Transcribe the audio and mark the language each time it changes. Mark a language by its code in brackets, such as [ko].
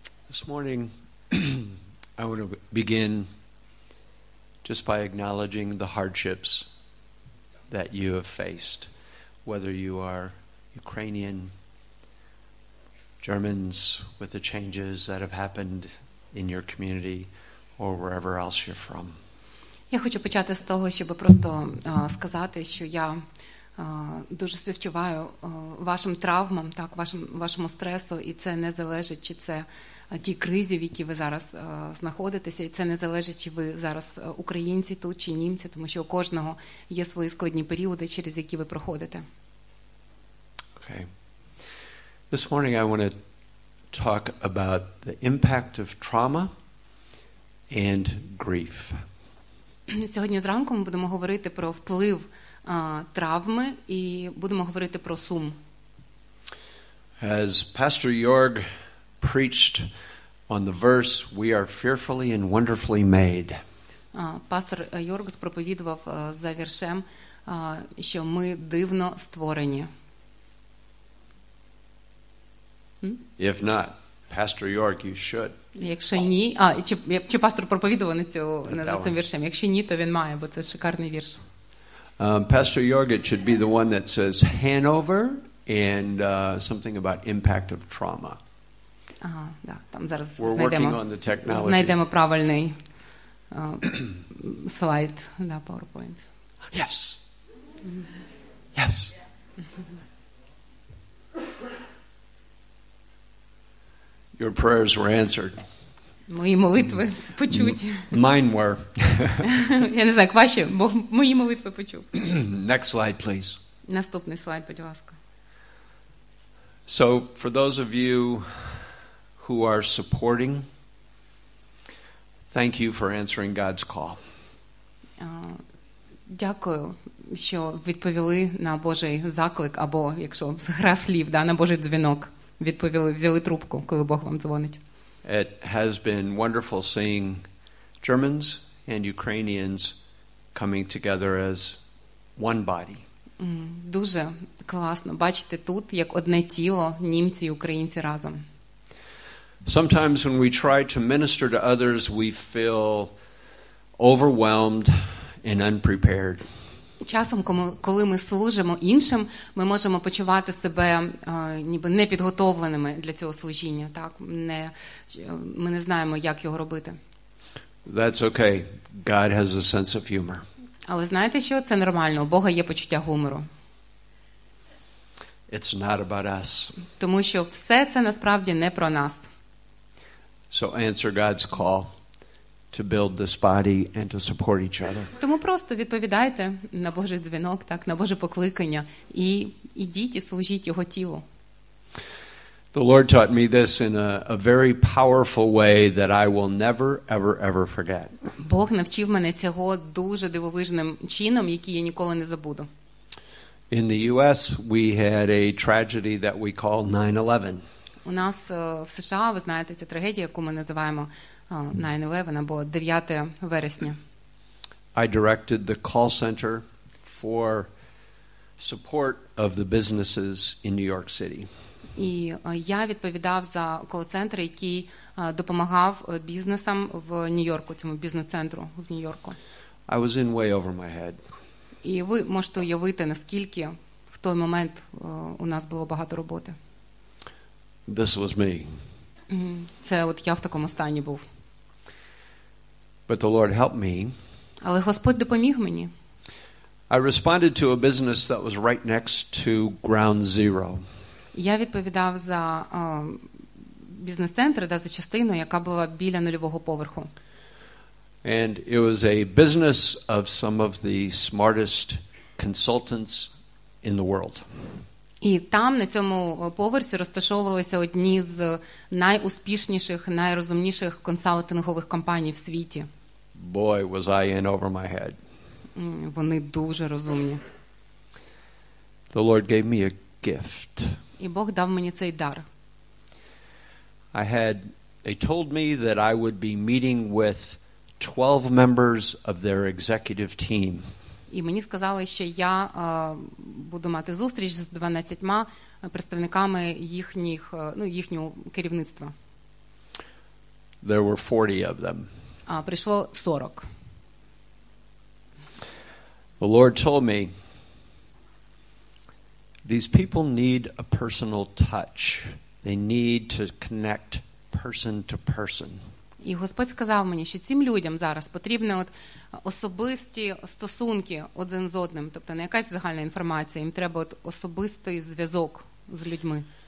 [en] This morning I want to begin just by acknowledging the hardships that you have faced, whether you are Ukrainian, Germans, with the changes that have happened in your community or wherever else you're from. [uk] Я хочу почати з того, щоб просто сказати, що я дуже співчуваю вашим травмам, так, вашому стресу, і це не залежить, чи це ті кризи, в які ви зараз знаходитеся, і це не залежить, чи ви зараз українці тут, чи німці, тому що у кожного є свої складні періоди, через які ви проходите. [en] Okay. This morning I want to talk about the impact of trauma and grief. [uk] Сьогодні зранку ми будемо говорити про вплив травми і будемо говорити про сум. [en] As Pastor Jörg preached on the verse, we are fearfully and wonderfully made. [uk] Пастор Йорг проповідував за віршем, що ми дивно створені. [en] If not, Pastor Jörg, you should. [uk] Якщо ні, чи пастор проповідував над цим віршем? Якщо ні, то він має, бо це шикарний вірш. [en] Pastor Jörg, it should be the one that says Hanover and something about impact of trauma. [uk] Ага, да, там зараз знайдемо правильний слайд на PowerPoint. [en] Yes. Yes. Your prayers were answered. [uk] Мої молитви почуті. [en] Mine were. [uk] Я не знаю, як ваші, бо мої молитви почув. [en] Next slide, please. [uk] Наступний слайд, будь ласка. [en] So, for those of you who are supporting, thank you for answering God's call. [uk] Дякую, що відповіли на Божий заклик, або, якщо гра слів, да, на Божий дзвінок. Відповіли, взяли трубку, коли Бог вам дзвонить. [en] It has been wonderful seeing Germans and Ukrainians coming together as one body. [uk] Дуже класно бачити тут як одне тіло німці і українці разом. [en] Sometimes when we try to minister to others, we feel overwhelmed and unprepared. [uk] Часом, коли ми служимо іншим, ми можемо почувати себе ніби непідготовленими для цього служіння, так? Ми не знаємо, як його робити. [en] That's okay. God has a sense of humor. [uk] Але знаєте що? Це нормально. У Бога є почуття гумору. [en] It's not about us. [uk] Тому що все це насправді не про нас. [en] So answer God's call to build this body and to support each other. [uk] Тому просто відповідайте на Божий дзвінок, так, на Боже покликання і ідіть і служіть його тілу. [en] The Lord taught me this in a very powerful way that I will never ever ever forget. [uk] Бог навчив мене цього дуже дивовижним чином, який я ніколи не забуду. [en] In the US we had a tragedy that we call 9/11. [uk] У нас в США, ви знаєте, ця трагедія, яку ми називаємо 9/11 або 9 вересня. [en] I directed the call center for support of the businesses in New York City. [uk] І я відповідав за кол-центр, який допомагав бізнесам в Нью-Йорку, цьому бізнес-центру в Нью-Йорку. [en] I was in way over my head. [uk] І ви можете уявити, наскільки в той момент у нас було багато роботи. [en] This was me. [uk] Це от я в такому стані був. [en] But the Lord helped me. [uk] Але Господь допоміг мені. [en] I responded to a business that was right next to Ground Zero. [uk] Я відповідав за бізнес-центр, да, за частину, яка була біля нульового поверху. [en] And it was a business of some of the smartest consultants in the world. [uk] І там, на цьому поверсі, розташовувалися одні з найуспішніших, найрозумніших консалтингових компаній в світі. [en] Boy, was I in over my head. [uk] Вони дуже розумні. [en] The Lord gave me a gift. [uk] І Бог дав мені цей дар. [en] They told me that I would be meeting with 12 members of their executive team. [uk] І мені сказали, що я буду мати зустріч з 12 представниками їхніх, ну, їхнього керівництва. [en] There were 40 of them. [uk] А прийшло 40. [en] The Lord told me these people need a personal touch. They need to connect person to person. [uk] І Господь сказав мені, що цим людям зараз потрібні от особисті стосунки один з одним, тобто не якась загальна інформація, їм треба от особистий зв'язок з людьми.